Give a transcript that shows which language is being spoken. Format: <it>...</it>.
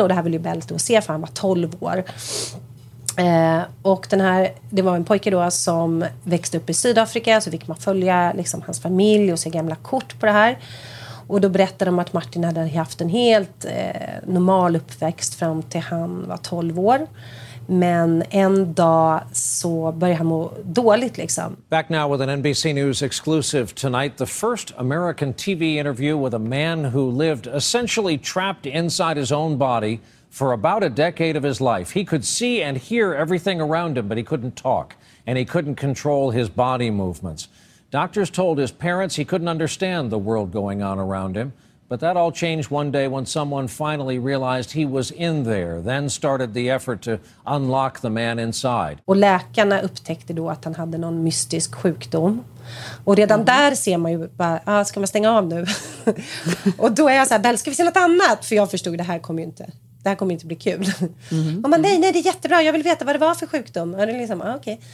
<sv>Och det här ville ju Bell då se för han var 12 år. Och den här, det var en pojke då som växte upp i Sydafrika. Så fick man följa liksom hans familj och se gamla kort på det här. Och då berättade de att Martin hade haft en helt normal uppväxt fram till han var 12 år. Men en dag så började han må dåligt liksom.</sv> <en>Back now with an NBC News exclusive tonight. The first American TV interview with a man who lived essentially trapped inside his own body for about a decade of his life. He could see and hear everything around him, but he couldn't talk. And he couldn't control his body movements. Doctors told his parents he couldn't understand the world going on around him. But that all changed one day when someone finally realized he was in there. Then started the effort to unlock the man inside.</en> <sv>Och läkarna upptäckte då att han hade någon mystisk sjukdom. Och redan där ser man ju bara, ska man stänga av nu? Och då är jag så här, Bell, ska vi se något annat? För jag förstod, det här kommer ju inte. Det här kommer inte bli kul. Mm-hmm. Och man, nej, det är jättebra. Jag vill veta vad det var för sjukdom. Och det är liksom, okej.</sv>